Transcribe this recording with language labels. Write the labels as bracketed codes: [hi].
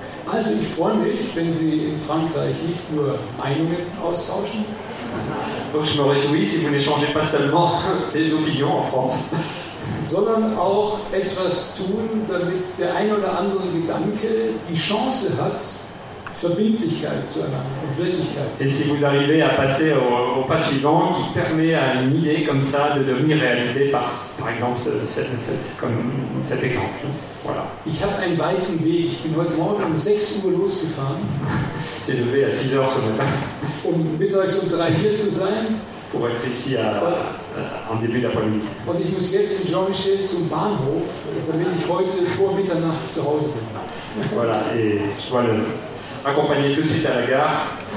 [de] Also ich freue mich, wenn Sie in Frankreich nicht nur Meinungen austauschen. [fr] Donc je me réjouis si vous n'échangez pas seulement des opinions en France. [de] Sondern auch etwas tun, damit der ein oder andere Gedanke die Chance hat, Verbindlichkeit zu erlangen und Wirklichkeit. [fr] Et si vous arrivez à passer au pas suivant qui permet à une idée comme ça de devenir réalité par exemple cet exemple. Voilà. [de] Ich habe einen weiten Weg. Ich bin heute Morgen um 6 Uhr losgefahren. [fr] C'est levé à 6 heures ce matin. [de] Um mittags um 3 hier zu sein. [fr] Pour être ici en début d'après-midi. [de] Und ich muss jetzt in Jean-Michel zum Bahnhof, damit ich heute vor Mitternacht zu Hause bin. [fr] Voilà, et je dois le accompagner tout de suite à la gare.